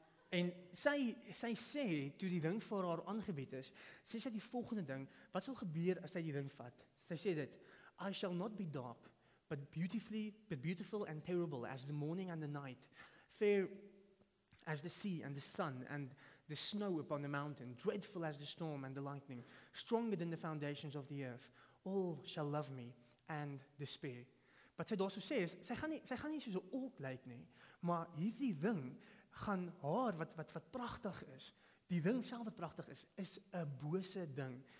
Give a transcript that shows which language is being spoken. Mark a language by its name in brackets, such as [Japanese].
[Afrikaans] En sy sê, toe die ring vir haar aangebied is, sê sy die volgende ding, wat sal gebeur as sy die ring vat? [English] Sy sê dit: "I shall not be dark, but beautiful and terrible as the morning and the night, fair as the sea and the sun and the snow upon the mountain, dreadful as the storm and the lightning, stronger than the foundations of the earth. All shall love me and despair." [Afrikaans] Wat sy daar so sê is, sy gaan nie soos 'n ork lyk nie, maar hierdie ding gaan haar, wat pragtig is, die ding self wat pragtig is, is 'n bose ding.